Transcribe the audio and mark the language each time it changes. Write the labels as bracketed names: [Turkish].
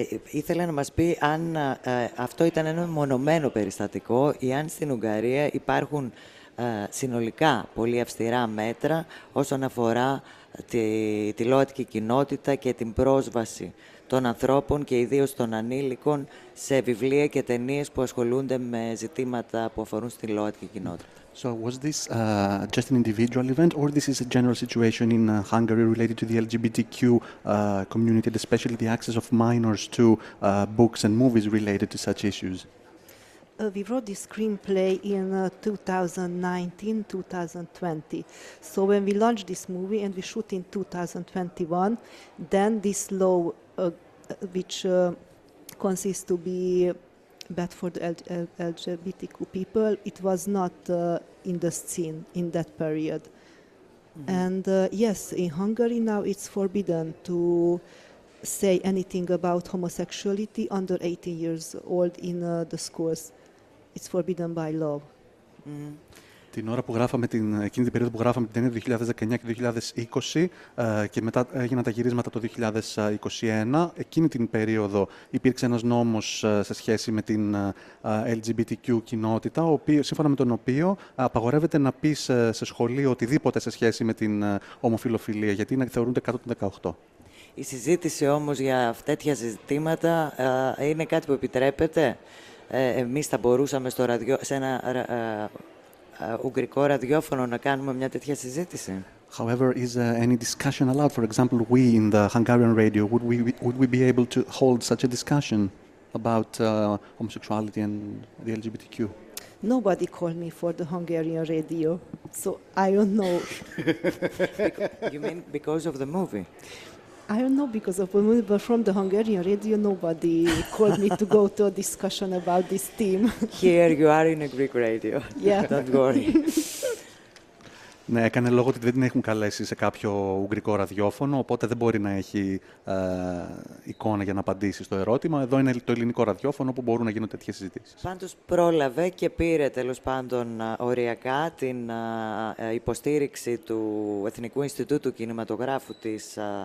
[Greek] Ήθελα να μας πει αν αυτό ήταν ένα μονομένο περιστατικό ή αν στην Ουγγαρία υπάρχουν συνολικά πολύ αυστηρά μέτρα όσον αφορά τη ΛΟΑΤΚΙ κοινότητα και την πρόσβαση των ανθρώπων και ιδίως των ανήλικων σε βιβλία και ταινίες που ασχολούνται με ζητήματα που αφορούν στη ΛΟΑΤΚΙ κοινότητα. [English] So was this just an individual event or this is a general situation in Hungary related to the LGBTQ community and especially the access of minors to books and movies related to such issues? We wrote this screenplay in 2019-2020. So when we launched this movie and we shoot in 2021, then this law, which consists to be bad for the LGBTQ people, it was not in the scene in that period. Mm-hmm. And yes, in Hungary now it's forbidden to say anything about homosexuality under 18 years old in the schools. It's forbidden by law. Mm-hmm. [Greek] Την ώρα που γράφαμε εκείνη την περίοδο που γράφαμε την ταινία του 2019 και 2020 και μετά έγιναν τα γυρίσματα το 2021, εκείνη την περίοδο υπήρξε ένας νόμος σε σχέση με την LGBTQ κοινότητα, σύμφωνα με τον οποίο απαγορεύεται να πεις σε σχολείο οτιδήποτε σε σχέση με την ομοφιλοφιλία, γιατί είναι, θεωρούνται κάτω των 18. Η συζήτηση όμως για τέτοια ζητήματα είναι κάτι που επιτρέπεται. Εμείς θα μπορούσαμε σε ένα ουγγρικό ραδιόφωνο να κάνουμε μια τέτοια συζήτηση. [English] However, is any discussion allowed? For example, we in the Hungarian radio, would we be able to hold such a discussion about homosexuality and the LGBTQ? Nobody called me for the Hungarian radio, so I don't know. You mean because of the movie? I don't know because of the movie, but from the Hungarian radio, nobody called me to go to a discussion about this theme. Here you are in a Greek radio. Yeah. Don't worry. [Greek] Ναι, έκανε λόγο ότι δεν την έχουν καλέσει σε κάποιο ουγγρικό ραδιόφωνο, οπότε δεν μπορεί να έχει εικόνα για να απαντήσει στο ερώτημα. Εδώ είναι το ελληνικό ραδιόφωνο που μπορούν να γίνουν τέτοιες συζητήσεις. Πάντως πρόλαβε και πήρε τέλος πάντων οριακά την υποστήριξη του Εθνικού Ινστιτούτου Κινηματογράφου της